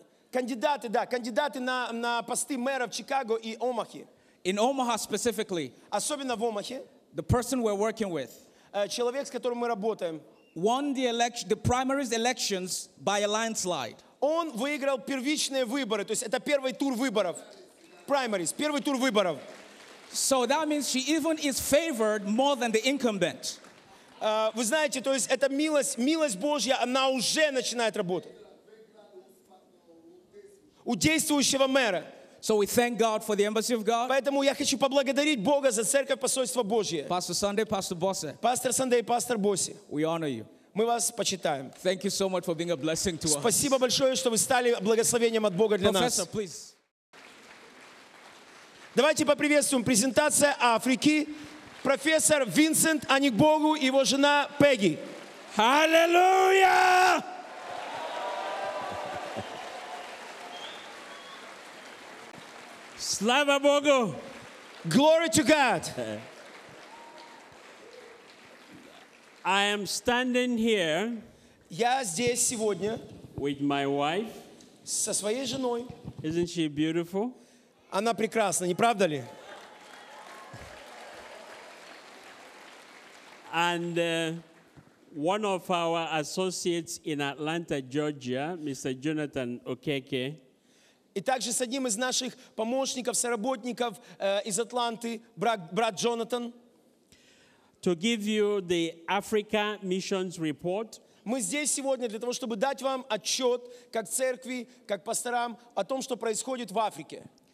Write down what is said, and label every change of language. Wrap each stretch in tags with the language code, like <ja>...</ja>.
<ru>кандидаты, да, кандидаты на посты мэра в Чикаго и Омахи,</ru> <en>in Omaha specifically,</en> <ru>особенно в Омахе,</ru> <en>the person we're working with.</en> <ru>Человек, с которым мы работаем,</ru> <en>won the primaries elections by a landslide.</en> <ru>Он выиграл первичные выборы, то есть это первый тур выборов. Primaries, первый тур выборов.</ru> <en>So that means she even is favored more than the incumbent.</en> <ru>Вы знаете, то есть это милость Божья, она уже начинает работать. У действующего мэра.</ru> <en>So we thank God for the embassy of God.</en> <ru>Поэтому я хочу поблагодарить Бога за церковь посольства Божье.</ru> <en>Pastor Sunday, Pastor Bosse. Pastor Sunday, Pastor Bosse. We honor you.</en> <ru>Мы вас почитаем.</ru> <en>Thank you so much for being a blessing to</en> <ru>Спасибо</ru> <en>us.</en> <ru>Спасибо большое, что вы стали благословением от Бога для</ru> <en>Professor,</en> <ru>нас.</ru> <en>Please.</en> <ru>Давайте поприветствуем презентация Африки. Профессор Винсент Анигбогу и его жена Пегги. Аллилуйя! Слава Богу!</ru> <en>Glory to God! I am standing here.</en> <ru>Я здесь сегодня.</ru> <en>With my wife.</en> <ru>Со своей женой.</ru> <en>Isn't she beautiful?</en> <ru>Она прекрасна, не правда ли?</ru> <en>And one of our associates in Atlanta, Georgia, Mr. Jonathan Okeke.</en> <ru>И также с одним из наших помощников, соработников из Атланты, брат Джонатан.</ru> <en>To give you the Africa Missions Report.</en> <ru>Мы здесь сегодня для того, чтобы дать вам отчет, как церкви, как пасторам, о том, что происходит в Африке.</ru>